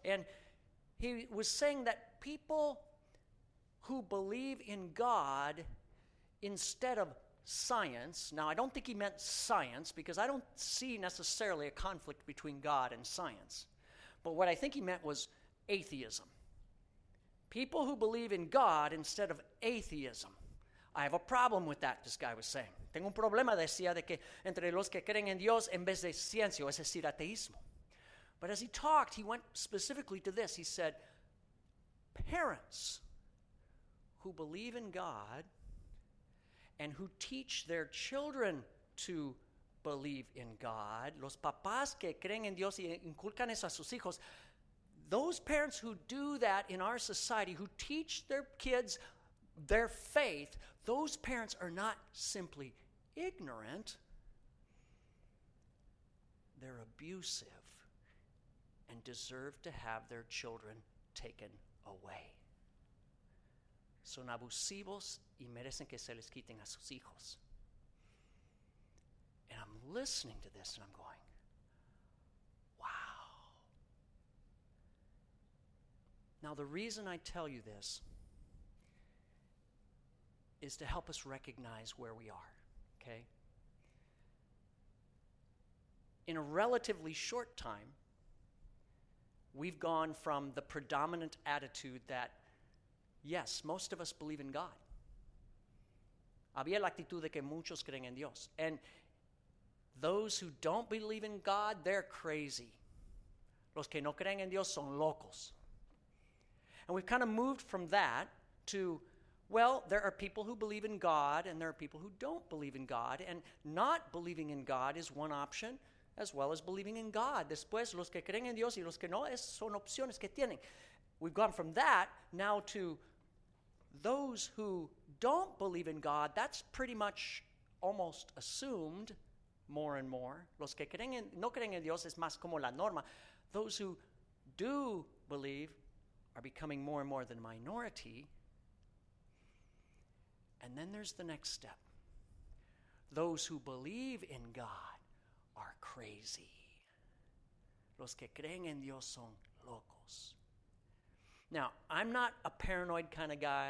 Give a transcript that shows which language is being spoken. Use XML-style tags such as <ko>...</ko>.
<en>And he was saying that people who believe in God instead of science, now I don't think he meant science because I don't see necessarily a conflict between God and science. But what I think he meant was atheism. People who believe in God instead of atheism. I have a problem with that, this guy was saying.</en> <es>Tengo un problema, decía, de que entre los que creen en Dios en vez de ciencia, es decir, ateísmo.</es> <en>But as he talked, he went specifically to this. He said, parents who believe in God and who teach their children to believe in God,</en> <es>los papás que creen en Dios y inculcan eso a sus hijos,</es> <en>those parents who do that in our society, who teach their kids their faith, those parents are not simply ignorant, they're abusive. And deserve to have their children taken away.</en> <es>Son abusivos y merecen que se les quiten a sus hijos.</es> <en>And I'm listening to this and I'm going, wow. Now the reason I tell you this is to help us recognize where we are, okay? In a relatively short time, we've gone from the predominant attitude that, yes, most of us believe in God.</en> <es>Había la actitud de que muchos creen en Dios.</es> <en>And those who don't believe in God, they're crazy.</en> <es>Los que no creen en Dios son locos.</es> <en>And we've kind of moved from that to, well, there are people who believe in God and there are people who don't believe in God. And not believing in God is one option, as well as believing in God.</en> <es>Después, los que creen en Dios y los que no, es son opciones que tienen.</es> <en>We've gone from that now to those who don't believe in God. That's pretty much almost assumed more and more.</en> <es>Los que creen en, no creen en Dios es más como la norma.</es> <en>Those who do believe are becoming more and more the minority. And then there's the next step. Those who believe in God are crazy.</en> <es>Los que creen en Dios son locos.</es> <en>Now, I'm not a paranoid kind of guy.</en>